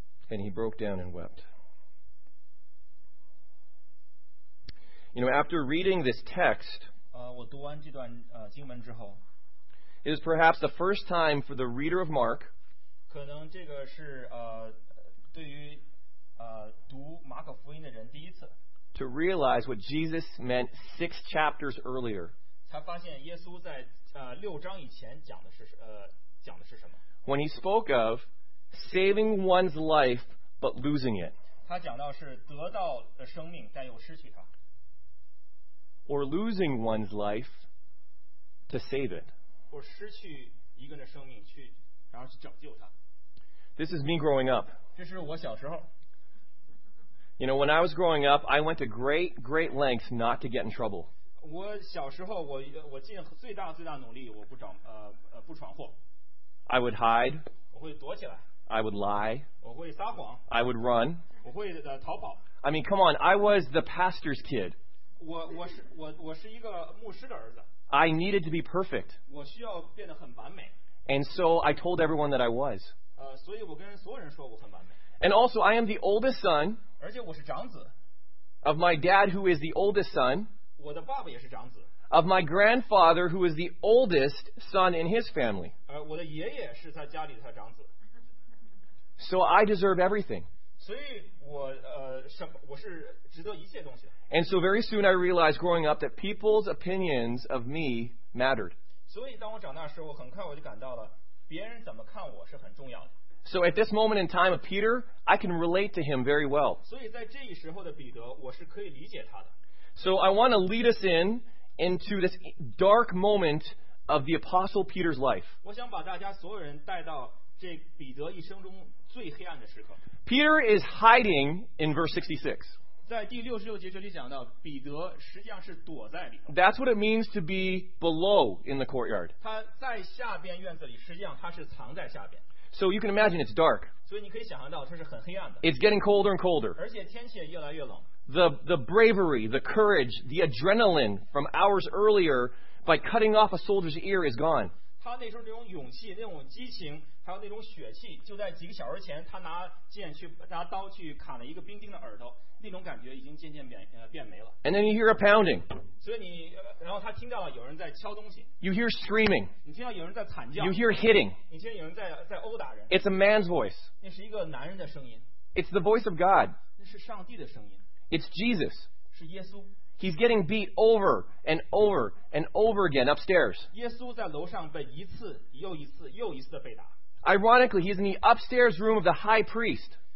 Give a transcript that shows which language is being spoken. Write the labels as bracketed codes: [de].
[en] And he broke down and wept. You know, after reading this text, [zh] 我读完这段经文之后, [en] it is perhaps the first time for the reader of Mark, [zh] 可能这个是对于读马可福音的人第一次, [en] to realize what Jesus meant six chapters earlier. [zh] 才发现耶稣在六章以前讲的是什么? [en] When he spoke of saving one's life but losing it. [zh] 他讲到是得到的生命但又失去它。 [en] Or losing one's life to save it. [zh] 或失去一个人的生命去然后去拯救它。 [en] This is me growing up. [zh] 这是我小时候。 [en] You know, when I was growing up, I went to great, great lengths not to get in trouble. [zh] 我小时候我尽最大最大努力我不闯祸。 [en] I would hide. [zh] 我会躲起来。 [en] I would lie. [zh] 我会撒谎。 [en] I would run. [zh] 我会逃跑。 [en] I mean, come on, I was the pastor's kid. [zh] 我是一个牧师的儿子。 [en] I needed to be perfect. [zh] 我需要变得很完美。 [en] And so I told everyone that I was. [zh] 所以我跟所有人说我很完美。 [en] And also, I am the oldest son. [zh] 而且我是长子。 [en] Of my dad, who is the oldest son. [zh] 我的爸爸也是长子。 [en] Of my grandfather, who is the oldest son in his family. [zh] 我的爷爷是在家里的长子。 [en] So I deserve everything. [zh] 所以我是值得一切东西的。 [en] And so very soon I realized growing up that people's opinions of me mattered. [zh] 所以当我长大的时候，很快我就感到了别人怎么看我是很重要的。 [en] So at this moment in time of Peter, I can relate to him very well. [zh] 所以在这一时候的彼得，我是可以理解他的。 [en] So I want to lead us into this dark moment of the Apostle Peter's life. [zh] 我想把大家所有人带到这彼得一生中最黑暗的时刻。 [en] Peter is hiding in verse 66. [zh] 在第六十六节这里讲到，彼得实际上是躲在里头。 [en] That's what it means to be below in the courtyard. [zh] 他在下边院子里，实际上他是藏在下边。 [en] So you can imagine it's dark. [zh] 所以你可以想象到它是很黑暗的。 [en] It's getting colder and colder. [zh] 而且天气也越来越冷。 [en] The bravery, the courage, the adrenaline from hours earlier by cutting off a soldier's ear is gone. [zh] 他那时候那种勇气，那种激情，还有那种血气，就在几个小时前，他拿剑去拿刀去砍了一个兵丁的耳朵，那种感觉已经渐渐变没了。 [en] And then you hear a pounding. [zh] 所以你，然后他听到了有人在敲东西。 [en] You hear screaming. [zh] 你听到有人在惨叫。 [en] You hear hitting. [zh] 你听到有人在殴打人。 [en] It's a man's voice. [zh] 那是一个男人的声音。 [en] It's the voice of God. [zh] 那是上帝的声音。 [en] It's Jesus. [zh] 是耶稣。 [en] He's getting beat over and over and over again upstairs. [zh] 耶稣在楼上被一次又一次又一次的被打。 [en] Ironically, he's in the upstairs room of the high priest.